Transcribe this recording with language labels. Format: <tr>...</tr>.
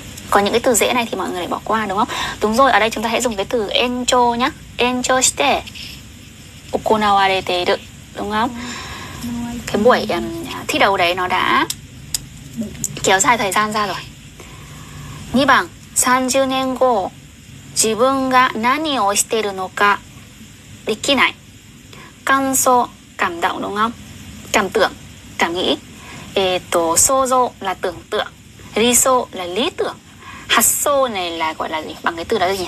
<vi>Còn những cái từ dễ này thì mọi người lại bỏ qua đúng không? Đúng rồi, ở đây chúng ta hãy dùng cái từ encho nhá.</vi> <ja>Encho shite okonawarete iru,</ja> <vi>đúng không? Cái buổi thi đấu đấy nó đã kéo dài thời gian ra rồi.</vi> <ja>2 番 30 年後自分が何をしてるのかできない感想</ja> <vi>cảm động đúng không? Cảm tưởng, cảm nghĩ. 想像 là tưởng tượng, 理想 là lý tưởng, 発想 này là gọi là gì? Bằng cái từ đó là gì?</vi>